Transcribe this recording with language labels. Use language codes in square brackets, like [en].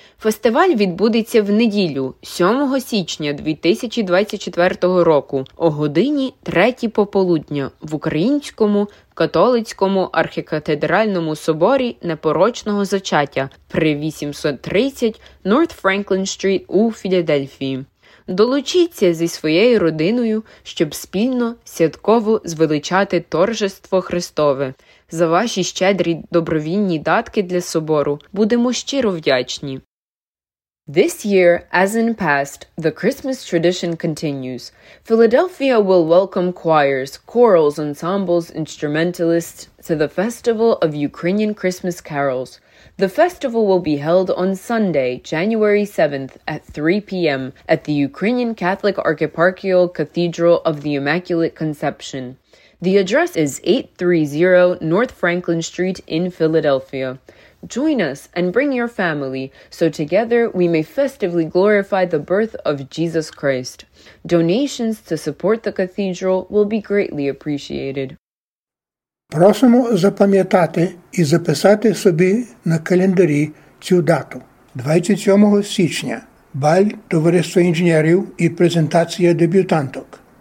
[uk] Фестиваль відбудеться в неділю, 7 січня 2024 року, о годині 3 пополудня в Українському католицькому архікатедральному соборі непорочного зачаття при 830 North Franklin Street у Філадельфії. Долучіться зі своєю родиною, щоб спільно святково звеличати торжество Христове. За ваші щедрі добровільні датки для собору будемо щиро вдячні. [en] This year, as in past, the Christmas tradition continues. Philadelphia will welcome choirs, chorals, ensembles, instrumentalists to the Festival of Ukrainian Christmas Carols. The festival will be held on Sunday, January 7th at 3 p.m. at the Ukrainian Catholic Archeparchial Cathedral of the Immaculate Conception. The address is 830 North Franklin Street in Philadelphia. Join us and bring your family, so together we may festively glorify the birth of Jesus Christ. Donations to support the cathedral will be greatly appreciated. [uk] Просимо запам'ятати і записати собі на календарі цю дату. 27 січня – баль Товариства інженерів і презентація дебютанток.